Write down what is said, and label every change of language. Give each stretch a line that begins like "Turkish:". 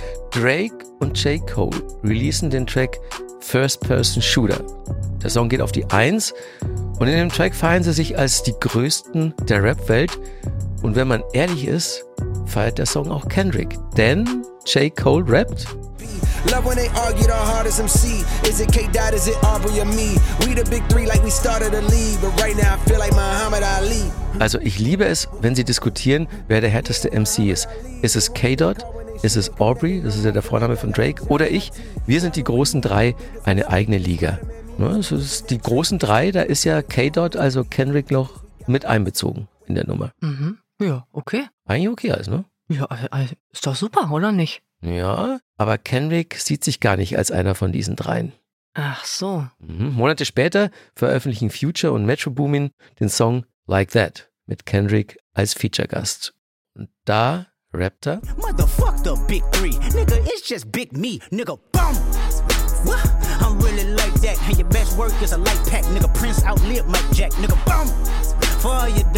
German: Drake und J. Cole releasen den Track First Person Shooter. Der Song geht auf die 1 und in dem Track feiern sie sich als die Größten der Rap-Welt. Und wenn man ehrlich ist, feiert der Song auch Kendrick, denn J.
English: Cole
German: rappt.
English: Love when they argue the hardest MC. Is it K-Dot, is it Aubrey or me? We the big three like we started a league. But right now I feel like Muhammad Ali.
German: Also ich liebe es, wenn sie diskutieren, wer der härteste MC ist. Ist es K-Dot? Ist es Aubrey? Das ist ja der Vorname von Drake. Oder ich? Wir sind die großen drei, eine eigene Liga. Es ist die großen drei, da ist ja K-Dot, also Kendrick, noch mit einbezogen in der Nummer. Mhm. Ja, okay. Eigentlich okay alles, ne? Ja, ist doch super, oder nicht? Ja, aber Kendrick sieht sich gar nicht als einer von diesen dreien. Ach so. Monate später veröffentlichen Future und Metro Boomin den Song Like That mit Kendrick als Feature-Gast. Und da rappt er.
English: Motherfuck the big three, nigga, it's just big me, nigga, boom. I'm really like that, and your best work is a light pack, nigga, Prince outlive Mike Jack, nigga, boom.